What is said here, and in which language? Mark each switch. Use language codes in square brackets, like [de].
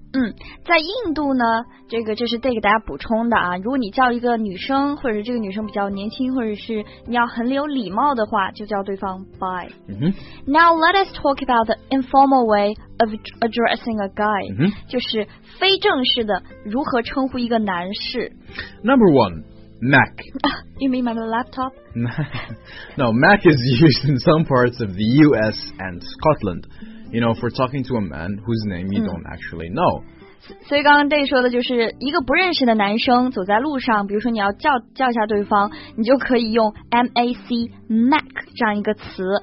[zh] 嗯，在印度呢，这是得给大家补充的啊。如果你叫一个女生，或者这个女生比较年轻，或者是你要很有礼貌的话，就叫对方 bye。 Mm-hmm. [en] Now let us talk about the informal way of addressing a guy，、 mm-hmm. [zh] 就是非正式的如何称呼一个男士。 [en] Number one, Mac. You mean my laptop? No, Mac is used in some parts of the U.S. and Scotland. You know, for talking to a man whose name you、mm. don't actually know. [zh] 所以刚刚 Day 说的就是一个不认识的男生走在路上，比如说你要叫一下对方，你就可以用 M-A-C, Mac 这样一个词。